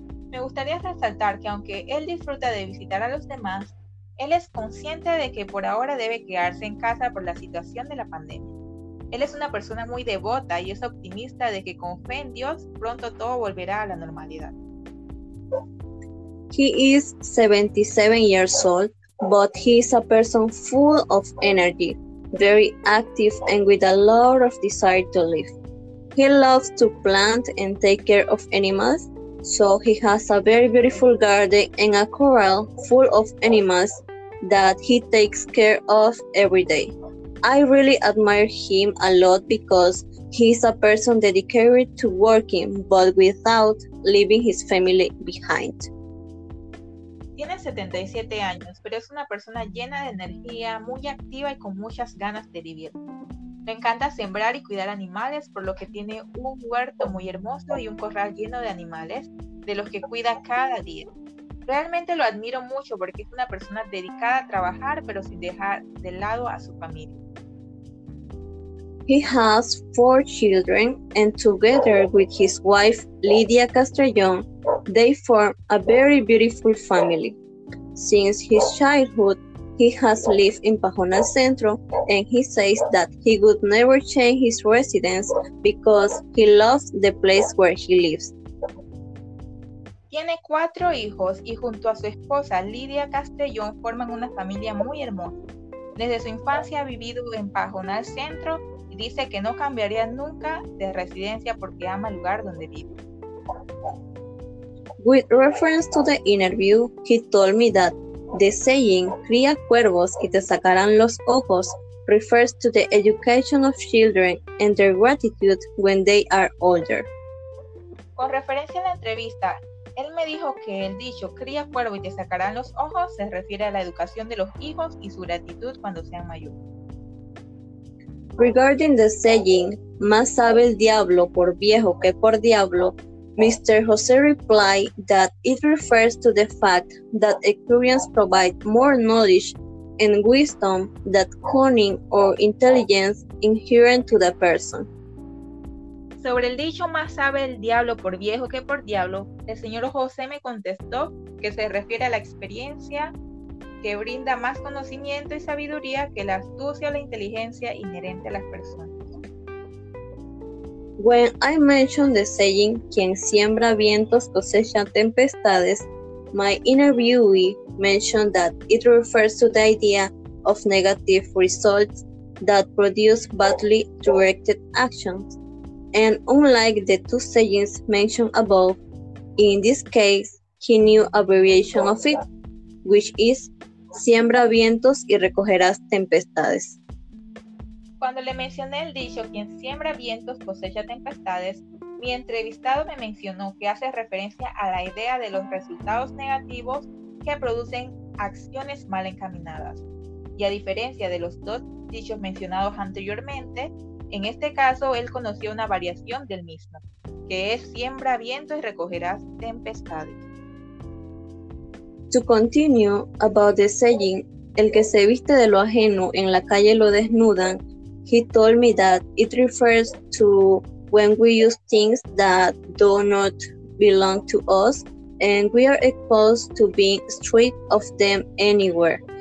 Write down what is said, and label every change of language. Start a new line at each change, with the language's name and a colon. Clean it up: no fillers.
Spanish: Me gustaría resaltar que aunque él disfruta de visitar a los demás, él es consciente de que por ahora debe quedarse en casa por la situación de la pandemia. Él es una persona muy devota y es optimista de que con fe en Dios pronto todo volverá a la normalidad.
English: He is 77 years old, but he is a person full of energy, very active and with a lot of desire to live. He loves to plant and take care of animals, so he has a very beautiful garden and a corral full of animals that he takes care of every day. I really admire him a lot because he is a person dedicated to working, but without leaving his family behind.
Spanish: Tiene 77 años, pero es una persona llena de energía, muy activa y con muchas ganas de vivir. Le encanta sembrar y cuidar animales, por lo que tiene un huerto muy hermoso y un corral lleno de animales, de los que cuida cada día. Realmente lo admiro mucho porque es una persona dedicada a trabajar, pero sin dejar de lado a su familia.
English: He has 4 children and together with his wife Lydia Castellón, they form a very beautiful family. Since his childhood, he has lived in Pajonal Centro and he says that he would never change his residence because he loves the place where he lives.
Spanish: Tiene 4 hijos y junto a su esposa Lydia Castellón forman una familia muy hermosa. Desde su infancia ha vivido en Pajonal Centro y dice que no cambiaría nunca de residencia porque ama el lugar donde vive.
English: With reference to the interview, he told me that the saying,
Spanish: cría cuervos y te sacarán los ojos,
English: refers to the education of children and their gratitude when they are older.
Spanish: Con referencia a la entrevista, él me dijo que el dicho cría cuervo y te sacarán los ojos se refiere a la educación de los hijos y su gratitud cuando sean mayores.
English: Regarding the saying,
Spanish: más sabe el diablo por viejo que por diablo,
English: Mr. Jose replied that it refers to the fact that experience provides more knowledge and wisdom than cunning or intelligence inherent to the person.
Spanish: Sobre el dicho más sabe el diablo por viejo que por diablo, el señor José me contestó que se refiere a la experiencia que brinda más conocimiento y sabiduría que la astucia o la inteligencia inherente a las personas.
English: When I mentioned the saying,
Spanish: quien siembra vientos cosecha tempestades,
English: my interviewee mentioned that it refers to the idea of negative results that produce badly directed actions. And unlike the two sayings mentioned above, in this case, he knew a variation of it, which is,
Spanish: siembra vientos y recogerás tempestades. Cuando le mencioné el dicho, quien siembra vientos cosecha tempestades, mi entrevistado me mencionó que hace referencia a la idea de los resultados negativos que producen acciones mal encaminadas. Y a diferencia de los dos dichos mencionados anteriormente, en este caso, él conoció una variación del mismo, que es siembra viento y recogerás tempestades.
English: To continue about the saying,
Spanish: el que se viste de lo ajeno en la calle lo desnudan,
English: he told me that it refers to when we use things that do not belong to us and we are exposed to being stripped of them anywhere.